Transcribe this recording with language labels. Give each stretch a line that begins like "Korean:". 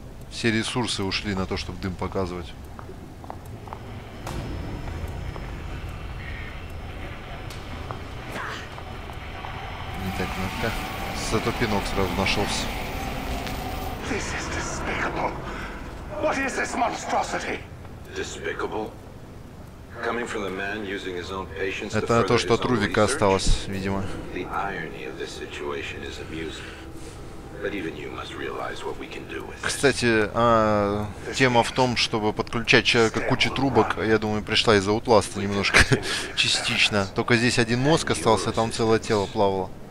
Russian: Все ресурсы ушли на то, чтобы дым показывать. Не так мягко. Зато пинок сразу нашелся.
English: This is despicable. What is this monstrosity? Despicable? Coming from the man using his own patience.
Russian: Это на то, что от Рувика осталось, видимо.
English: The irony of this situation is amusing. But even you must realize what we can do with this.
Russian: Кстати, тема в том, чтобы подключать человека к куче трубок, я думаю, пришла из-за Outlast немножко частично. Только здесь один мозг остался, а там целое тело плавало.